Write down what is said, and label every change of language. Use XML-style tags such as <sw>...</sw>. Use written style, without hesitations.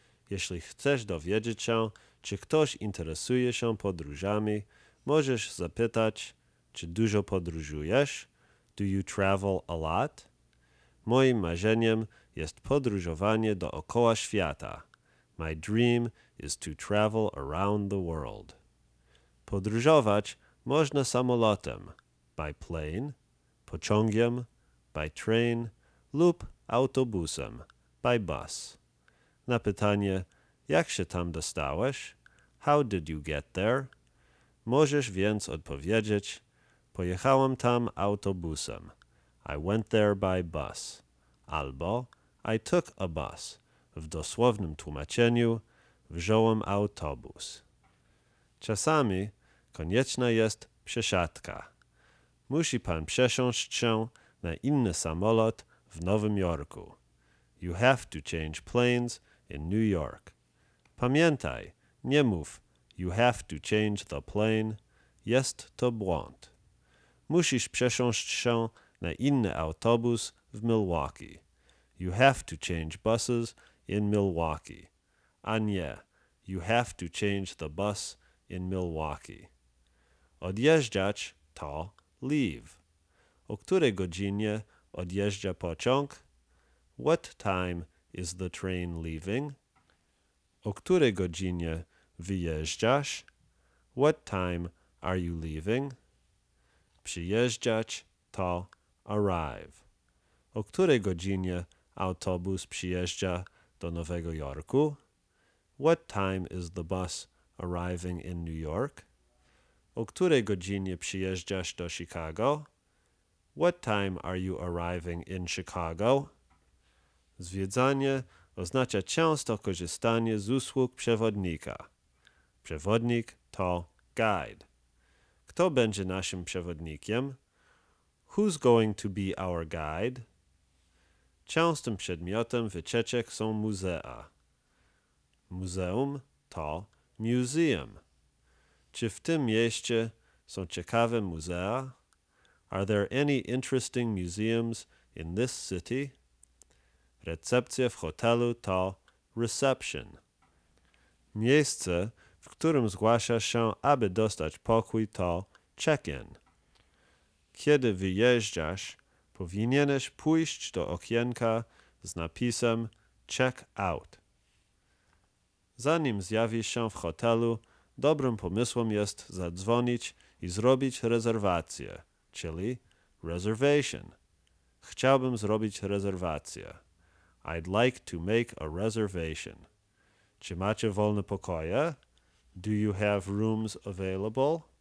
<pl>Jeśli chcesz dowiedzieć się, czy ktoś interesuje się podróżami, możesz zapytać, czy dużo podróżujesz?</pl> <en>Do you travel a lot?</en> <pl>Moim marzeniem jest podróżowanie dookoła świata.</pl> <en>My dream is to travel around the world.</en> <pl>Podróżować można samolotem,</pl> <en>by plane,</en> <pl>pociągiem,</pl> <en>by train,</en> <pl>lub autobusem,</pl> <en>by bus.</en> <pl>Na pytanie, jak się tam dostałeś?</pl> <en>How did you get there?</en> <pl>Możesz więc odpowiedzieć, pojechałem tam autobusem.</pl> <en>I went there by bus.</en> <pl>Albo</pl> <en>I took a bus.</en> <pl>W dosłownym tłumaczeniu, wziąłem autobus. Czasami konieczna jest przesiadka. Musi pan przesiąść się na inny samolot w Nowym Jorku.</pl> <en>You have to change planes in New York.</en> <pl>Pamiętaj, nie mów</pl> <en>you have to change the plane.</en> <pl>Jest to błąd. Musisz przesiąść się na inny autobus w Milwaukee.</pl> <en>You have to change buses in Milwaukee.</en> <pl>A nie,</pl> <en>you have to change the bus in Milwaukee.</en> <pl>Odjeżdżać to leave. O której godzinie odjeżdża pociąg?</pl> <en>What time is the train leaving?</en> <pl>O której godzinie wyjeżdżasz?</pl> <en>What time are you leaving?</en> <pl>Przyjeżdżać to arrive. O której godzinie autobus przyjeżdża do Nowego Jorku?</pl> <en>What time is the bus arriving in New York?</en> <pl>O której godzinie przyjeżdżasz do Chicago?</pl> <en>What time are you arriving in Chicago?</en> <pl>Zwiedzanie oznacza często korzystanie z usług przewodnika. Przewodnik to guide. Kto będzie naszym przewodnikiem?</pl> <en>Who's going to be our guide?</en> <pl>Częstym przedmiotem wycieczek są muzea. Muzeum to museum. Czy w tym mieście są ciekawe muzea?</pl> <en>Are there any interesting museums in this city?</en> <pl>Recepcja w hotelu to reception. Miejsce, w którym zgłaszasz się, aby dostać pokój, to check-in. Kiedy wyjeżdżasz, powinieneś pójść do okienka z napisem check out. Zanim zjawisz się w hotelu, dobrym pomysłem jest zadzwonić i zrobić rezerwację, czyli reservation. Chciałbym zrobić rezerwację.</pl> <en>I'd like to make a reservation.</en> <pl>Czy macie wolne pokoje?</pl> <en>Do you have rooms available?</en>